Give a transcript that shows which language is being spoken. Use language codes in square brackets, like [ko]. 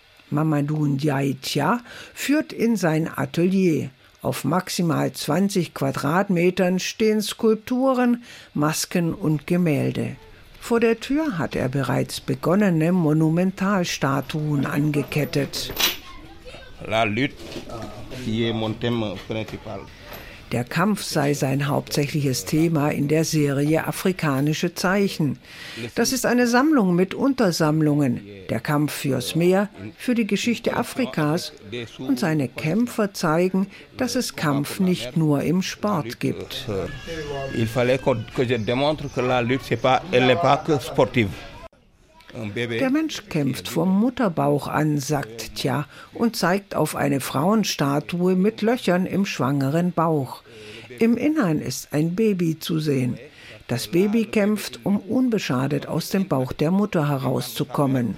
[de] Mamadou Ndiaye Tja führt in sein Atelier. Auf maximal 20 Quadratmetern stehen Skulpturen, Masken und Gemälde. Vor der Tür hat er bereits begonnene Monumentalstatuen angekettet. [fr] La lutte, qui est mon thème principal. [de] Der Kampf sei sein hauptsächliches Thema in der Serie Afrikanische Zeichen. Das ist eine Sammlung mit Untersammlungen. Der Kampf fürs Meer, für die Geschichte Afrikas. Und seine Kämpfer zeigen, dass es Kampf nicht nur im Sport gibt. [fr] Il fallait que je démontre que la lutte, c'est pas, elle n'est pas que sportive. [de] Der Mensch kämpft vom Mutterbauch an, sagt Tja, und zeigt auf eine Frauenstatue mit Löchern im schwangeren Bauch. Im Innern ist ein Baby zu sehen. Das Baby kämpft, um unbeschadet aus dem Bauch der Mutter herauszukommen.